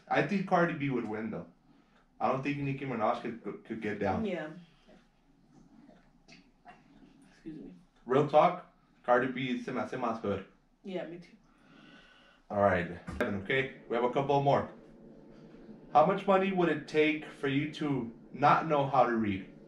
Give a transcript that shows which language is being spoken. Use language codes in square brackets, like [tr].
[en] I think Cardi B would win, though. I don't think Nicki Minaj could get down. Yeah. Excuse me. Real talk, [es] Cardi B se me hace más good. [en] Yeah, me too. All right. Seven, okay? We have a couple more. How much money would it take for you to not know how to read?